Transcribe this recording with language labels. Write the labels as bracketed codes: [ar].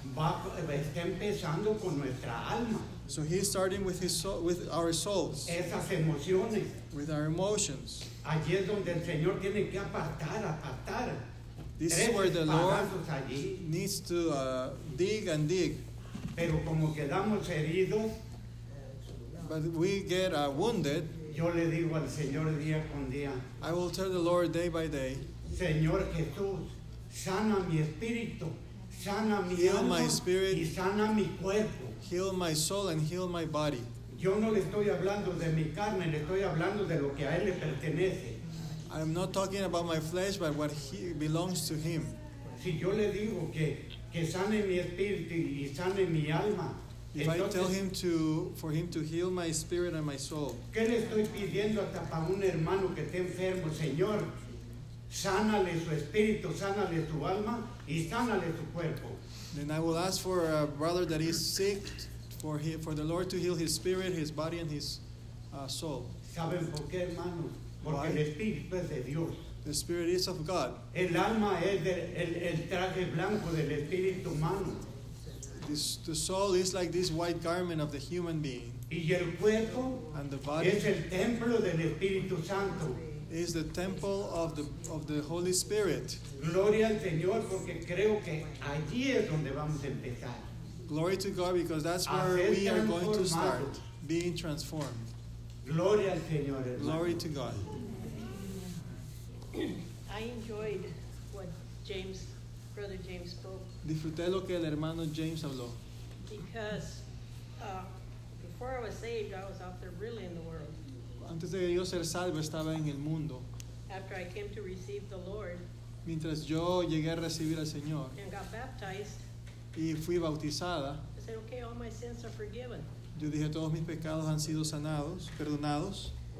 [es] Está empezando con nuestra alma. [en] So he's starting with his soul, with our souls. [es] Esas emociones. [en] With our emotions. [es] Allí es donde el Señor tiene que apartar. [en] This is where the Lord needs to dig. [es] Pero como quedamos heridos, [en] but we get wounded. [es] Yo le digo al Señor día con día. [en] I will tell the Lord day by day. [es] Señor Jesús, sana mi espíritu, sana mi alma, [en] heal my spirit, [es] y sana mi cuerpo. [en] Heal my soul and heal my body. [es] Yo no le estoy hablando de mi carne, le estoy hablando de lo que a él le pertenece. [en] I'm not talking about my flesh, but what he belongs to him. [es] Si yo le digo que sane mi espíritu y sane mi alma. [en] If I tell him to, for him to heal my spirit and my soul. [es] ¿Qué le estoy pidiendo hasta para un hermano que esté enfermo, Señor? Sánale su espíritu, sánale su alma y sánale su cuerpo. [en] Then I will ask for a brother that is sick for him, for the Lord to heal his spirit, his body, and his soul. [es] ¿Saben por qué, hermano? Porque el espíritu es de Dios. [en] The spirit is of God. [es] El alma es el traje blanco del espíritu humano. [en] The soul is like this white garment of the human being. [es] Y el cuerpo, [en] and the body [es] es el templo del Espíritu Santo. [en] Is the temple of the Holy Spirit. [es] Gloria al Señor, porque creo que allí es donde vamos a empezar. [en] Glory to God, because that's where we are going to start being transformed. [es] Gloria al Señor, hermano. [en] Glory to God. I enjoyed what James, Brother James, spoke. [es] Disfruté lo que el hermano James habló. [en] Because before I was saved, I was out there really in the world. [es] Antes de yo ser salvo, estaba en el mundo. [en] After I came to receive the Lord, [es] mientras yo llegué a recibir al Señor, [en] and got baptized, [es] y fui bautizada, [en] I said, okay, all my sins are forgiven. [es] Yo dije, todos mis pecados han sido sanados, perdonados.